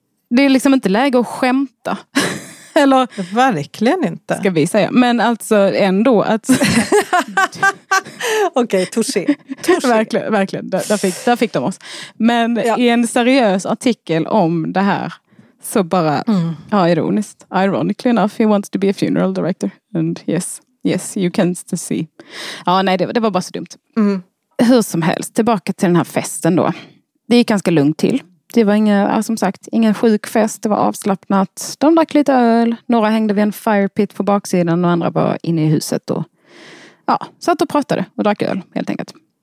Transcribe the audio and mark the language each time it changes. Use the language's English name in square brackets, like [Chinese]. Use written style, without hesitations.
[Swedish] Det är liksom inte läge att skämta. Eller, verkligen inte. Ska vi säga. Men alltså ändå att... Okej, touché. Verkligen. Där fick de oss. Men i en seriös artikel om det här så bara... Mm. Ja, ironiskt. [English] Ironically enough, he wants to be a funeral director. And yes, you can still see. [Swedish] Ja, nej, det var bara så dumt. Mm. Hur som helst, tillbaka till den här festen då. Det gick ganska lugnt till. Det var ingen sjukfest, det var avslappnat. De drack lite öl, några hängde vid en fire pit på baksidan och andra var inne i huset och satt och pratade och drack öl helt enkelt.